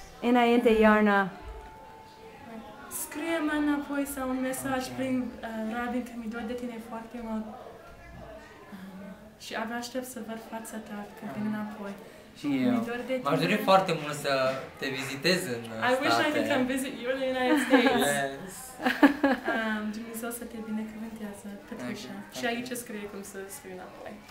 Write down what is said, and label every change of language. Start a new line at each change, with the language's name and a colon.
Romanian: înainte iarna. Scrie-mă înapoi sau un mesaj okay. Prin Robin că mi-e dor de tine foarte mult. Și abia aștept să văd fața ta când vin înapoi. și mă dor de tine. M-aș dori foarte mult să te vizitez în state.
English: I wish I could come visit you in the United States.
Romanian: Dumnezeu să te binecuvânteze, Petrușa. Și aici scrie cum să scriu înapoi.